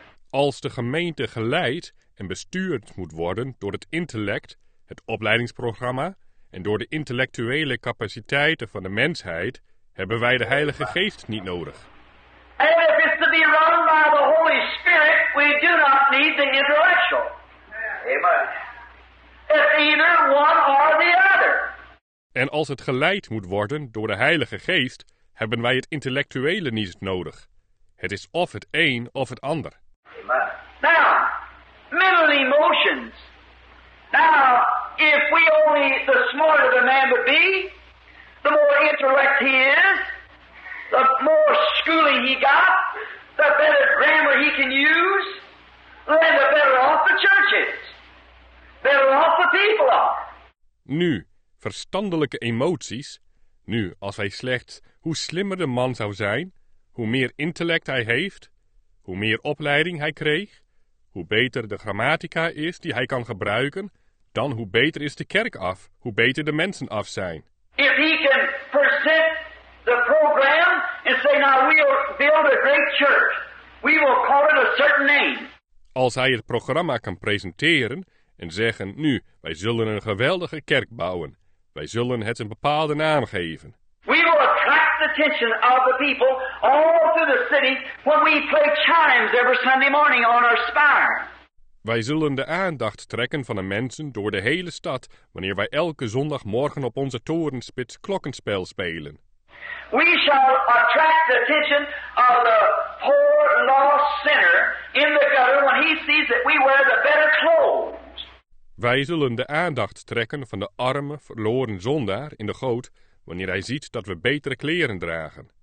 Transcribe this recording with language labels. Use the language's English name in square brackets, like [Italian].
[Dutch] Als de gemeente geleid en bestuurd moet worden door het intellect, het opleidingsprogramma, en door de intellectuele capaciteiten van de mensheid, hebben wij de Heilige Geest niet nodig. [English] And if it's to be run by the Holy Spirit, we do not need the intellectual. Amen. It's either one or the other. [Dutch] En als het geleid moet worden door de Heilige Geest, hebben wij het intellectuele niet nodig. Het is of het een of het ander. Amen. [English] Now, mental emotions. Now, if we only, the smarter the man would be, the more intellect he is, the more schooling he got, the better grammar he can use, then the better off the church is. Better off the people are. [Dutch] Nu, verstandelijke emoties. Nu, als hij slechts, hoe slimmer de man zou zijn, hoe meer intellect hij heeft, hoe meer opleiding hij kreeg, hoe beter de grammatica is die hij kan gebruiken, dan hoe beter is de kerk af, hoe beter de mensen af zijn. [English] If he can present the program and say, now we'll build a great church, we will call it a certain name. [Dutch] Als hij het programma kan presenteren en zeggen, nu, wij zullen een geweldige kerk bouwen, wij zullen het een bepaalde naam geven. [English] We will attract the attention of the people all through the city when we play chimes every Sunday morning on our spire. [Dutch] Wij zullen de aandacht trekken van de mensen door de hele stad wanneer wij elke zondagmorgen op onze torenspits klokkenspel spelen. [English] We shall attract the attention of the poor lost sinner in the gutter when he sees that we wear the better clothes. [Dutch] Wij zullen de aandacht trekken van de arme verloren zondaar in de goot wanneer hij ziet dat we betere kleren dragen.